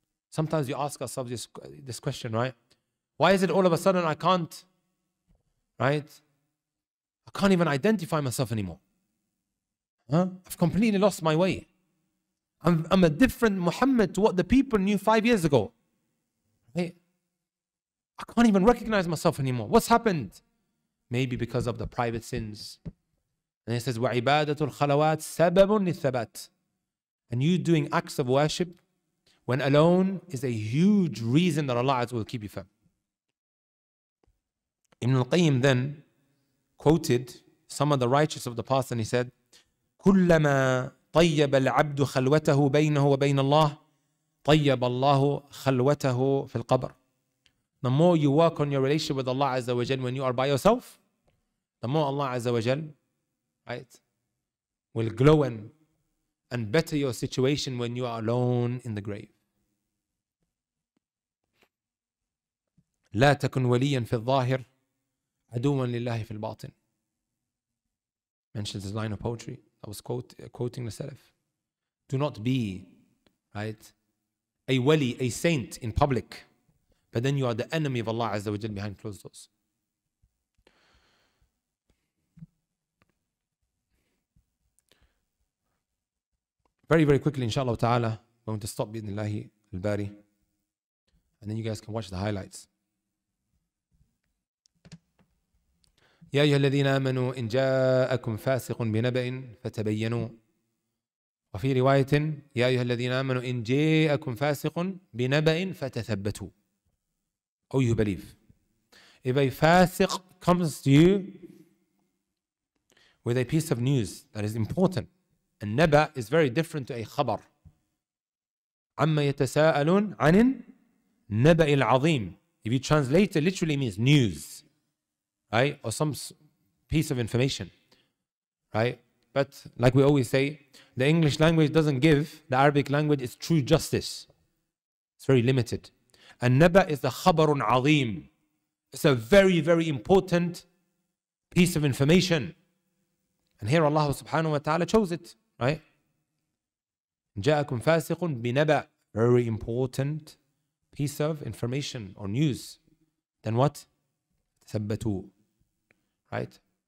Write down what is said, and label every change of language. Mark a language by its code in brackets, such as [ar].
[en] Sometimes you ask ourselves this question, right? Why is it all of a sudden I can't even identify myself anymore? Huh? I've completely lost my way. I'm a different Muhammad to what the people knew 5 years ago. Hey, I can't even recognize myself anymore. What's happened? Maybe because of the private sins. [ar] And it says, وَعِبَادَةُ الْخَلَوَاتِ سَبَبٌ لِلثَّبَاتِ. [en] And you doing acts of worship when alone is a huge reason that Allah will keep you firm. Ibn al-Qayyim then quoted some of the righteous of the past and he said, كُلَّمَا طَيَّبَ الْعَبْدُ خَلْوَتَهُ بَيْنَهُ وَبَيْنَ اللَّهِ طَيَّبَ اللَّهُ خَلْوَتَهُ فِي الْقَبْرِ. The more you work on your relationship with Allah Azza wa Jal when you are by yourself, the more Allah Azza wa Jal, right, will glow and better your situation when you are alone in the grave. [ar] لا تكن وليا في الظاهر عدوا لله في الباطن. [en] Mentions this line of poetry. I was quoting the Salaf. Do not be, right, a wali, a saint in public, but then you are the enemy of Allah Azza wa Jal behind closed doors. Very, very quickly, inshallah ta'ala, we're going to stop bi'idhnillahi al-bari. And then you guys can watch the highlights. [ar] يا أيها الذين آمنوا إن جاءكم فاسق بنبأ فتبينوا. وفي رواية يا أيها الذين آمنوا إن جاءكم فاسق بنبأ فتثبتوا. [en] Oh, you believe. If a fasiq comes to you with a piece of news that is important, a naba is very different to a khabar. [ar] عما يتساءلون عن النبأ العظيم. [en] If you translate it, literally means news, right? Or some piece of information, right? But like we always say, the English language doesn't give the Arabic language its true justice. It's very limited. [ar] النبأ is a خبر عظيم. [en] It's a very, very important piece of information. And here Allah subhanahu wa ta'ala chose it, right? جاءكم فاسق بنبأ. Very important piece of information or news. Then what? ثبتوا. Right?